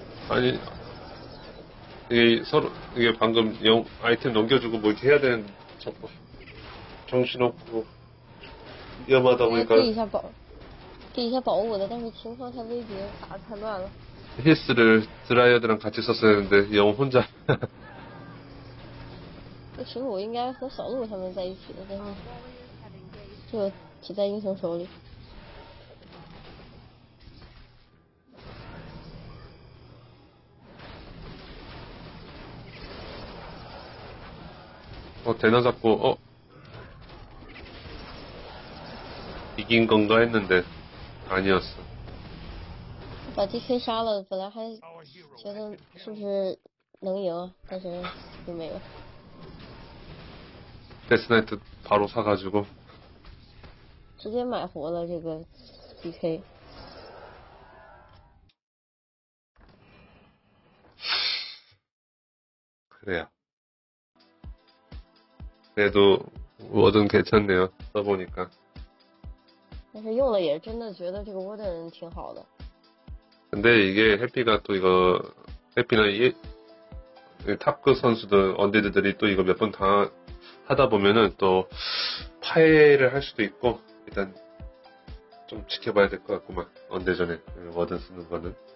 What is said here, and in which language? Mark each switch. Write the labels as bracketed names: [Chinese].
[Korean] 아니 이게 서로 이게 방금 영 아이템 넘겨주고 뭐 이렇게 해야 되는 잠깐 정신없고 위험하다 보니까 [Chinese] 给一下保我的，但是情况太危急，打太乱了。 [Korean] 히스를 드라이어드랑 같이 썼었는데 영 혼자. [Chinese] 其实我应该和小鹿他们在一起的，但是就骑在英雄手里。 [Korean] 어, 대나 잡고, 어? 이긴 건가 했는데, 아니었어. [Chinese] 把 DK 杀了，本来还觉得是不是能赢，但是就没有。 [Korean] 데스나이트 바로 사가지고. [Chinese] 直接买活了这个 DK。 [Korean] 그래야. 그래도 워든 괜찮네요. 써보니까. [Chinese] 但是用了也真的觉得这个沃登挺好的。 [Korean] 근데 이게 해피가 또 이거 해피나 이 탑급 선수들 언디드들이 또 이거 몇 번 다 하다 보면은 또 파해를 할 수도 있고 일단 좀 지켜봐야 될 것 같구만 언데전에 워든 쓰는 거는.